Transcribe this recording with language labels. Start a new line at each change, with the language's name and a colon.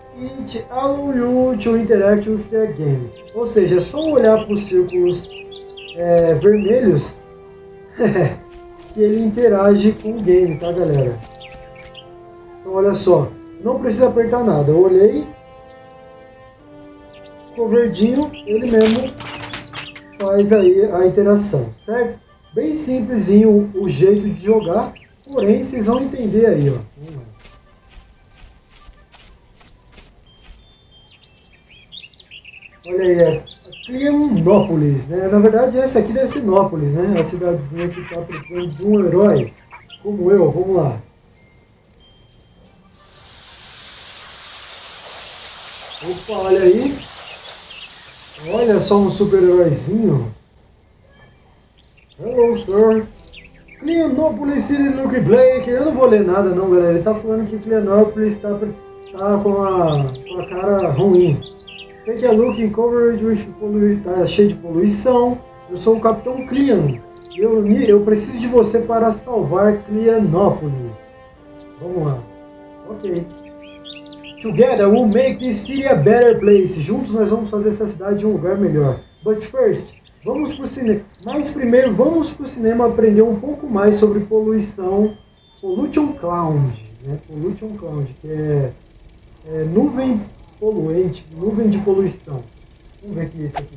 English: It allows you to interact with the game.
Portuguese: Ou seja, é só olhar para os círculos vermelhos que ele interage com o game, tá, galera? Então, olha só. Não precisa apertar nada. Eu olhei. Ficou verdinho. Ele mesmo faz aí a interação, certo? Bem simplesinho o jeito de jogar. Porém, vocês vão entender aí, ó. Olha aí, é Clianópolis, né? Na verdade, essa aqui deve ser Nópolis, né? A cidadezinha que tá precisando de um herói, como eu. Vamos lá. Opa, olha aí. Olha só um super-heróizinho.
English: Hello, sir.
Portuguese: Clianópolis City, Luke Blake. Eu não vou ler nada não, galera. Ele tá falando que Clianópolis tá com a cara ruim.
English: Take a look in coverage with pollution.
Portuguese: Tá cheio de poluição. Eu sou o Capitão Clian. Eu preciso de você para salvar Clianópolis. Vamos lá. Ok.
English: Together we'll make this city a better place.
Portuguese: Juntos nós vamos fazer essa cidade um lugar melhor.
English: But first...
Portuguese: Vamos pro cinema. Mas primeiro vamos pro cinema aprender um pouco mais sobre poluição. Pollution Cloud, né? Pollution Cloud, que é nuvem poluente, nuvem de poluição. Vamos ver o que é isso aqui.